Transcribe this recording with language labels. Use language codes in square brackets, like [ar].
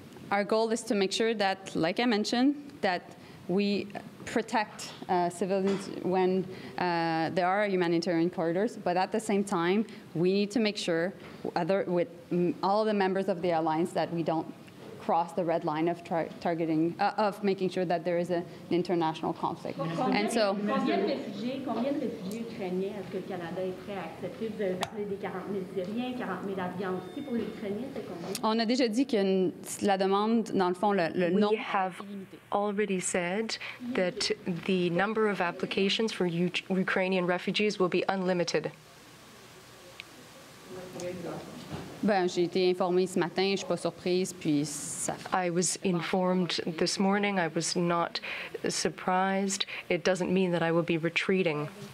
[en] Our goal is to make sure that, like I mentioned, that we protect civilians when there are humanitarian corridors, but at the same time, we need to make sure with all the members of the alliance that we don't cross the red line of targeting, of making sure that there is an international conflict. [fr] And so, combien de réfugiés ukrainiens est-ce que le Canada est prêt à accepter? Vous avez parlé des 40 000 Syriens, 40 000 Afghans aussi pour les Ukrainiens, c'est combien? On a déjà dit que la demande, dans le fond, le nombre. [en] We have already said that the number of applications for Ukrainian refugees will be unlimited. [fr] Ben, j'ai été informée ce matin, je suis pas surprise, puis ça... [en] I was informed this morning, I was not surprised. It doesn't mean that I will be retreating.